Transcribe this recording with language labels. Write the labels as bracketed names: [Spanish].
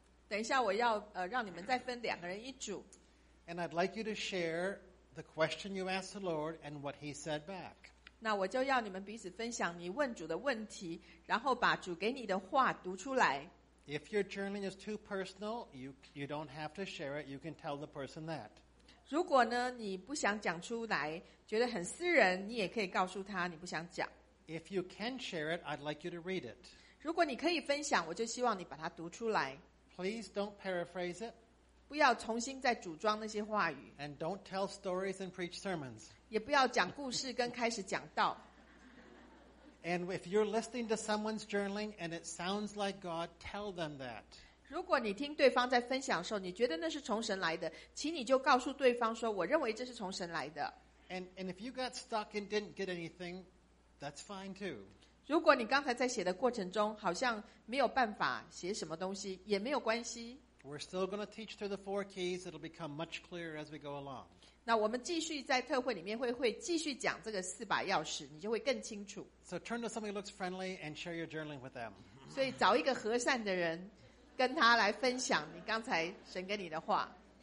[Chinese] 等一下我要让你们再分两个人一组。 [English] And I'd like you to share the question you asked the Lord and what he said back. [Chinese] 那我就要你们彼此分享你问主的问题，然后把主给你的话读出来。 [English] If your journaling is too personal, you don't have to share it. You can tell the person that. [Chinese] 如果呢，你不想讲出来，觉得很私人，你也可以告诉他你不想讲。 [English] If you can share it, I'd like you to read it. [Chinese] 如果你可以分享，我就希望你把它读出来。 [English] Please don't paraphrase it. [Chinese] 不要重新再组装那些话语。 [English] And don't tell stories and preach sermons. [Chinese] 也不要讲故事跟开始讲道。 [English] And if you're listening to someone's journaling and it sounds like God, tell them that. [Chinese] 如果你听对方在分享的时候，你觉得那是从神来的，请你就告诉对方说，我认为这是从神来的。 [English] And if you got stuck and didn't get anything, that's fine too. [Chinese] 如果你刚才在写的过程中，好像没有办法写什么东西，也没有关系。 [English] We're still going to teach through the four keys. It'll become much clearer as we go along. [Chinese] 那我们继续在特会里面会继续讲这个四把钥匙，你就会更清楚。 So turn to somebody who looks friendly and share your journaling with them. 所以找一个和善的人。跟他来分享你刚才神给你的话。